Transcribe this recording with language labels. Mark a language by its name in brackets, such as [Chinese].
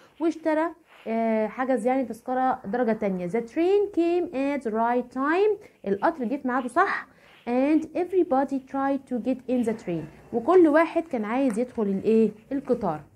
[Arabic] واشترى حجز يعني تذكرة درجة تانية. [English] The train came at the right time. [Arabic] القطر جه في ميعاده صح. [English] And everybody tried to get in the train. [Arabic] وكل واحد كان عايز يدخل القطار.